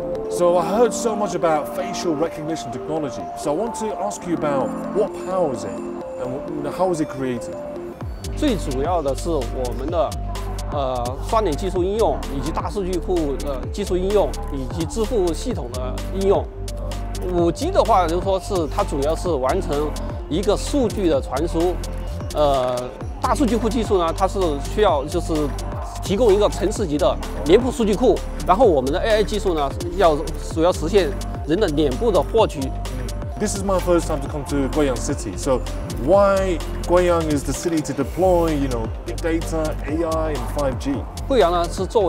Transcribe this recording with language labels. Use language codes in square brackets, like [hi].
[en] So I heard so much about facial recognition technology. So I want to ask you about what powers it and how is it created? [zh] 最主要的是我们的算力技术应用以及大数据库技术应用以及支付系统的应用。 5G的话就是说是它主要是完成一个数据的传输。大数据库技术呢它是需要就是 提供一个城市级的脸部数据库，然后我们的AI技术呢，要主要实现人的脸部的获取。 [en] This is my first time to come to Guiyang City. So why Guiyang is the city to deploy, you know, big data, AI, and 5G?